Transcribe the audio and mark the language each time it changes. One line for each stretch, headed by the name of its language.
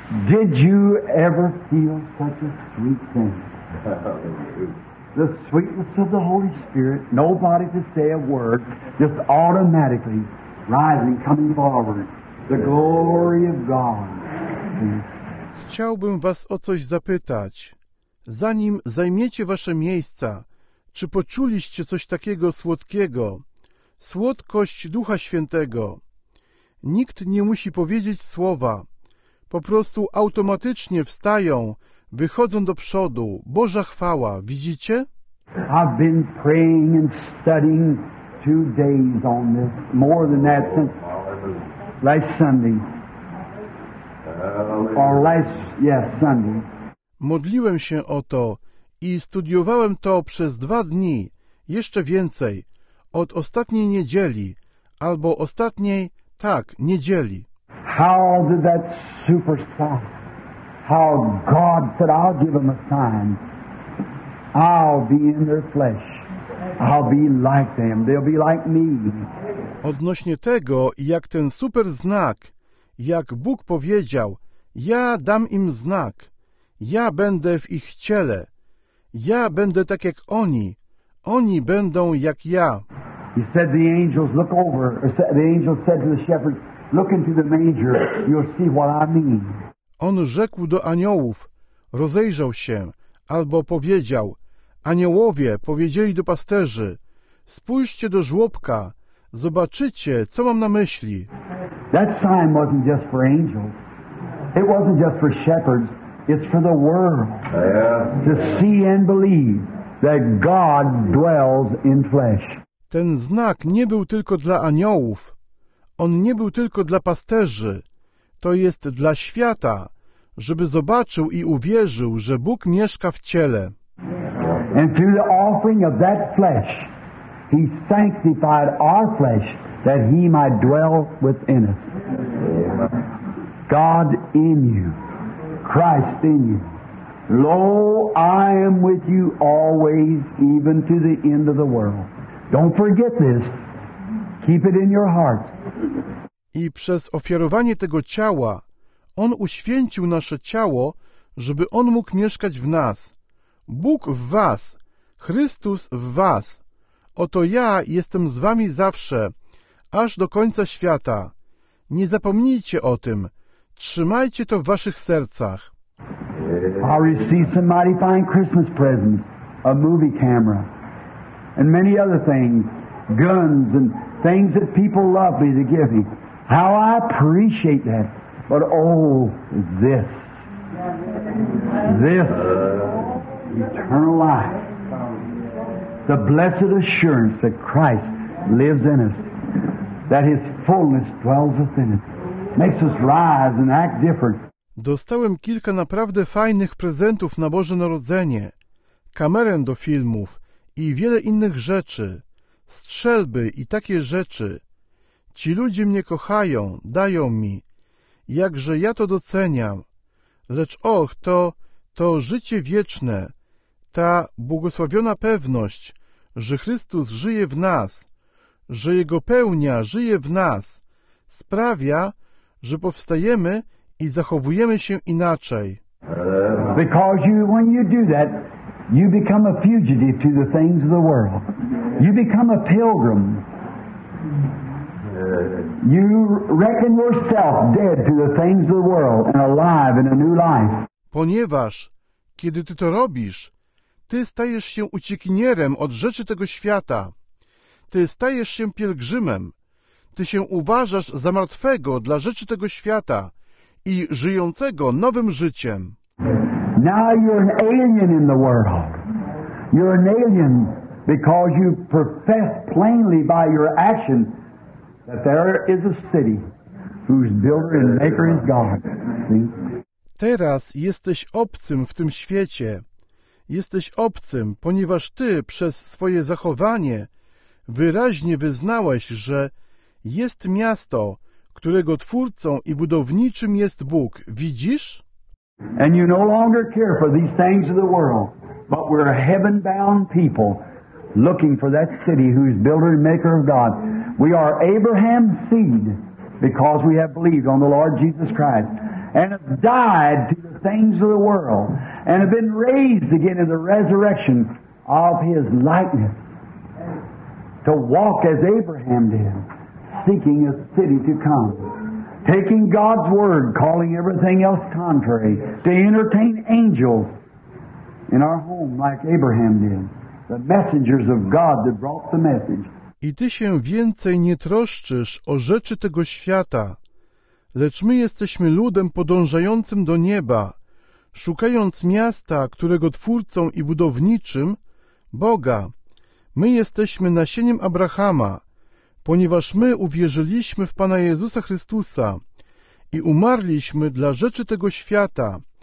English: Did you ever feel such a sweet thing? The sweetness of the Holy Spirit, nobody to say a word, just automatically rising, coming forward. The glory of God.
Polish: Chciałbym was o coś zapytać. Zanim zajmiecie wasze miejsca, czy poczuliście coś takiego słodkiego? Słodkość Ducha Świętego. Nikt nie musi powiedzieć słowa. po prostu automatycznie wstają, wychodzą do przodu. Boża chwała, widzicie?
English: I've been praying and studying 2 days on this, more than that since last Sunday. Or last, yes, Sunday.
Polish: Modliłem się o to i studiowałem to przez 2 dni, jeszcze więcej, od ostatniej niedzieli, albo ostatniej, tak, niedzieli.
English: How did that super sign? How God said, I'll give them a sign. I'll be in their flesh. I'll be like them. They'll be like me.
Polish: Odnośnie tego, jak ten super znak, jak Bóg powiedział, ja dam im znak. Ja będę w ich ciele. Ja będę tak jak oni. Oni będą jak ja.
English: He said the angels look over. The angels said to the shepherds, look into the manger. You'll see what I mean.
Polish: On rzekł do aniołów, rozejrzał się, albo powiedział, aniołowie powiedzieli do pasterzy, spójrzcie do żłobka, zobaczycie, co mam na myśli.
English: That sign wasn't just for angels. It wasn't just for shepherds. It's for the world. Yeah. To see and believe that God dwells in flesh.
Polish: Ten znak nie był tylko dla aniołów. On nie był tylko dla pasterzy. To jest dla świata, żeby zobaczył i uwierzył, że Bóg mieszka w ciele.
English: And through the offering of that flesh, he sanctified our flesh that he might dwell within us. God in you, Christ in you. Lo, I am with you always, even to the end of the world. Don't forget this. Keep it in your heart.
Polish: I przez ofiarowanie tego ciała on uświęcił nasze ciało, żeby on mógł mieszkać w nas. Bóg w was, Chrystus w was. Oto ja jestem z wami zawsze, aż do końca świata. Nie zapomnijcie o tym. Trzymajcie to w waszych sercach.
English: I'll receive some mighty fine Christmas presents, a movie camera, and many other things, guns and things that people love me to give me. How I appreciate that. But oh, this. This. Eternal life. The blessed assurance that Christ lives in us. That his fullness dwells within us. Makes us rise and act different.
Polish: Dostałem kilka naprawdę fajnych prezentów na Boże Narodzenie. Kamerę do filmów i wiele innych rzeczy. Strzelby i takie rzeczy. Ci ludzie mnie kochają, dają mi. Jakże ja to doceniam. Lecz och, to życie wieczne, ta błogosławiona pewność, że Chrystus żyje w nas, że Jego pełnia żyje w nas, sprawia, że powstajemy i zachowujemy się inaczej.
English: Because you, when you do that, you become a fugitive to the things of the world. You become a pilgrim. You reckon yourself dead to the things of the world and alive in a new life.
Polish: Ponieważ, kiedy ty to robisz, ty stajesz się uciekinierem od rzeczy tego świata. Ty stajesz się pielgrzymem. Ty się uważasz za martwego dla rzeczy tego świata i żyjącego nowym życiem.
English: Now you're an alien in the world. You're an alien because you profess plainly by your action that there is a city whose builder and maker is God.
Polish: Teraz jesteś obcym w tym świecie. Jesteś obcym, ponieważ ty przez swoje zachowanie wyraźnie wyznałeś, że jest miasto, którego twórcą i budowniczym jest Bóg. Widzisz?
English: And you no longer care for these things of the world, but we're a heaven-bound people looking for that city whose builder and maker of God. We are Abraham's seed because we have believed on the Lord Jesus Christ and have died to the things of the world and have been raised again in the resurrection of his likeness to walk as Abraham did, seeking a city to come, taking God's word, calling everything else contrary, to entertain angels in our home like Abraham did, the messengers of God that brought the message.
Polish: I ty się więcej nie troszczysz o rzeczy tego świata, lecz my jesteśmy ludem podążającym do nieba, szukając miasta, którego twórcą i budowniczym, Boga. My jesteśmy nasieniem Abrahama, ponieważ my uwierzyliśmy w Pana Jezusa Chrystusa i umarliśmy dla rzeczy tego świata